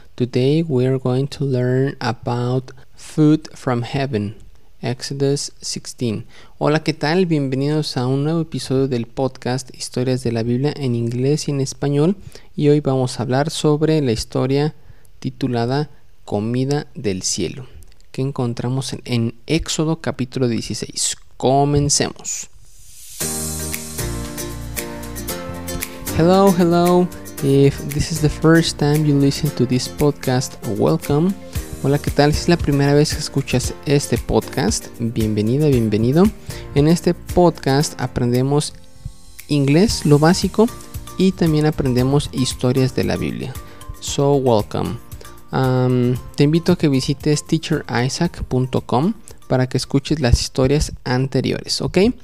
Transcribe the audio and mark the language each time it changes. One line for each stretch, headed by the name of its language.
English: Today we're going to learn about food from heaven, Exodus 16.
Spanish: Hola, ¿qué tal? Bienvenidos a un nuevo episodio del podcast Historias de la Biblia en inglés y en español. Y hoy vamos a hablar sobre la historia titulada Comida del Cielo, que encontramos en Éxodo capítulo 16. Comencemos.
English: Hello. If this is the first time you listen to this podcast, welcome.
Spanish: Hola, ¿qué tal? Si es la primera vez que escuchas este podcast, bienvenida, bienvenido. En este podcast aprendemos inglés, lo básico, y también aprendemos historias de la Biblia.
English: So, welcome.
Spanish: Te invito a que visites teacherisaac.com para que escuches las historias anteriores, ¿ok?